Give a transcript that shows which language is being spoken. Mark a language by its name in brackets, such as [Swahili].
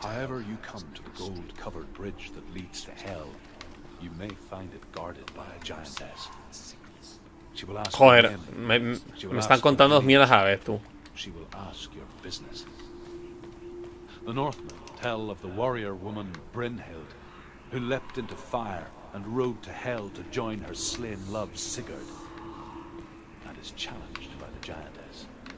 [English] However you come to the gold-covered bridge that leads to hell, you may find it guarded by a giantess. She will ask. [Spanish] Joder, me están contando dos mierdas a la vez, tú. [English] She will ask your business. The Northmen tell of the warrior woman Brynhild, who leapt into fire and rode to hell to join her slain love Sigurd, and is challenged by the giantess.